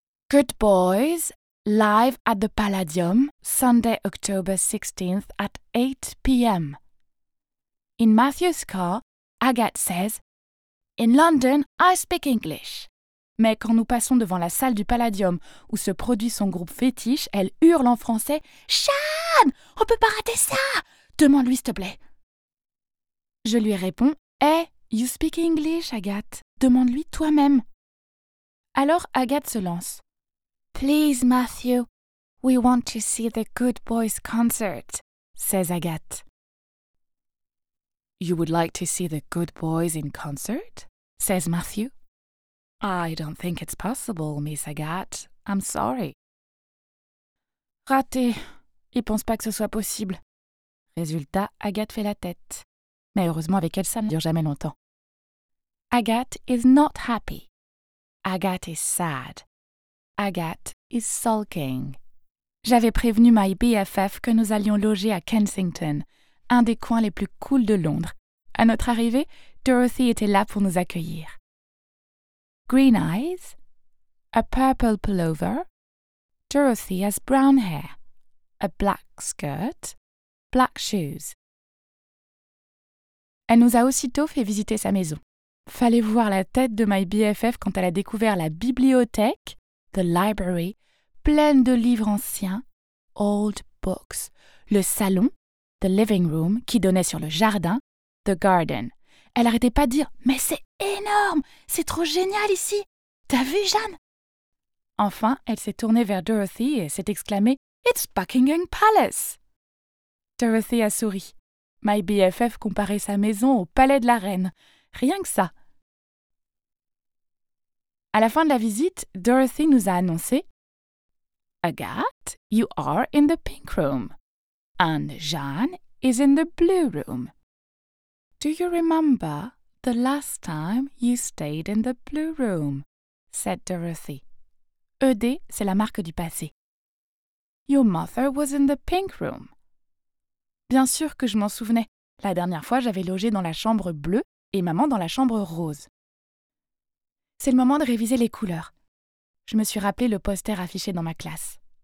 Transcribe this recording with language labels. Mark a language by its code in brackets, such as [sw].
[en] Good boys, live at the Palladium, Sunday, October 16th at 8 p.m. In Matthew's car, Agathe says, In London, I speak English. [fr] Mais quand nous passons devant la salle du Palladium où se produit son groupe fétiche, elle hurle en français, Sean, on peut pas rater ça! Demande-lui, s'il te plaît. Je lui réponds, [en] Hey, you speak English, Agathe. [fr] Demande-lui toi-même. Alors Agathe se lance. [en] Please, Matthew, we want to see the Good Boys concert, says Agathe. You would like to see the Good Boys in concert? Says Matthew. I don't think it's possible, Miss Agathe. I'm sorry. [fr] Raté. Il pense pas que ce soit possible. Résultat, Agathe fait la tête. Mais heureusement, avec elle, ça ne dure jamais longtemps. [en] Agathe is not happy. Agathe is sad. Agathe is sulking. [fr] J'avais prévenu my BFF que nous allions loger à Kensington, un des coins les plus cools de Londres. À notre arrivée, Dorothy était là pour nous accueillir. [en] Green eyes, a purple pullover. Dorothy has brown hair, a black skirt, black shoes. [fr] Elle nous a aussitôt fait visiter sa maison. Fallait voir la tête de my BFF quand elle a découvert la bibliothèque, [en] the library, [fr] pleine de livres anciens, [en] old books. [fr] Le salon, [en] the living room, [fr] qui donnait sur le jardin, [en] the garden. [fr] Elle n'arrêtait pas de dire « Mais c'est énorme! C'est trop génial ici! T'as vu, Jeanne ?» Enfin, elle s'est tournée vers Dorothy et s'est exclamée « [en] It's Buckingham Palace !» [fr] Dorothy a souri. My BFF comparait sa maison au palais de la reine. Rien que ça. À la fin de la visite, Dorothy nous a annoncé « [en] Agathe, you are in the pink room. And Jeanne is in the blue room. » Do you remember the last time you stayed in the blue room? Said Dorothy. [fr] ED, c'est la marque du passé. [en] Your mother was in the pink room. [fr] Bien sûr que je m'en souvenais. La dernière fois, j'avais logé dans la chambre bleue et maman dans la chambre rose. C'est le moment de réviser les couleurs. Je me suis rappelé le poster affiché dans ma classe.